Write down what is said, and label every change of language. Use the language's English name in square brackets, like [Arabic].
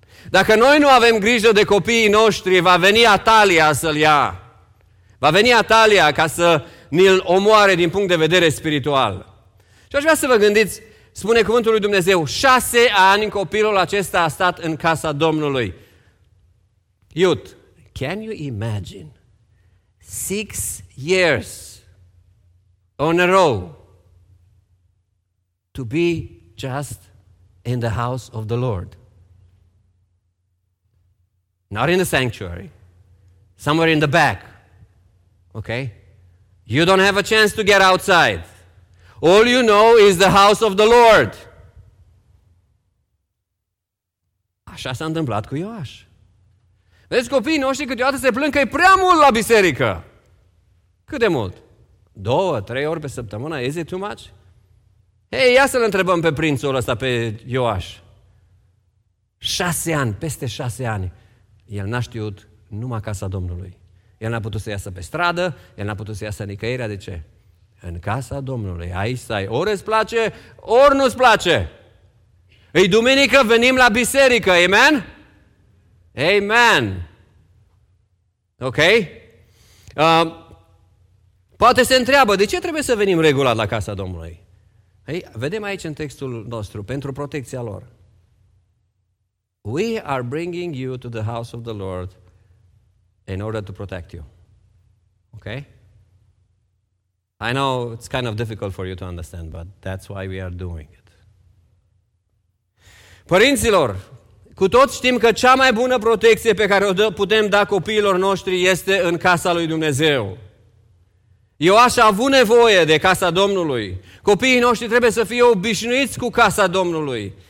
[Romanian] Dacă noi nu avem grijă de copiii noștri, va veni Atalia să-l ia. Va veni Atalia ca să ni-l omoare din punct de vedere spiritual. Și aș vrea să vă gândiți, spune cuvântul lui Dumnezeu, 6 ani copilul acesta a stat în casa Domnului. [English] Iud, can you imagine? 6 years on a row to be just in the house of the Lord. Not in the sanctuary, somewhere in the back. Okay? You don't have a chance to get outside. All you know is the house of the Lord. [Romanian] Așa s-a întâmplat cu Ioaș. Vezi, copiii noștri câteodată se plâng că e prea mult la biserică. Cât de mult? 2-3 ori pe săptămână? [English] Is it too much? [Romanian] Hei, ia să-l întrebăm pe prințul ăsta, pe Ioaș. 6 ani, peste 6 ani, el n-a știut numai casa Domnului. El n-a putut să iasă pe stradă, el n-a putut să iasă nicăieri. De ce? În casa Domnului, aici stai. Ori îți place, ori nu-ți place. Ei, duminică venim la biserică, amen? Amen! Ok? Poate se întreabă, de ce trebuie să venim regulat la casa Domnului? Ei, vedem aici în textul nostru, pentru protecția lor. [English] We are bringing you to the house of the Lord in order to protect you. Ok? I know it's kind of difficult for you to understand, but that's why we are doing it. [Romanian] Părinților, cu toți știm că cea mai bună protecție pe care o putem da copiilor noștri este în casa lui Dumnezeu. Ioaș a avut nevoie de casa Domnului. Copiii noștri trebuie să fie obișnuiți cu casa Domnului.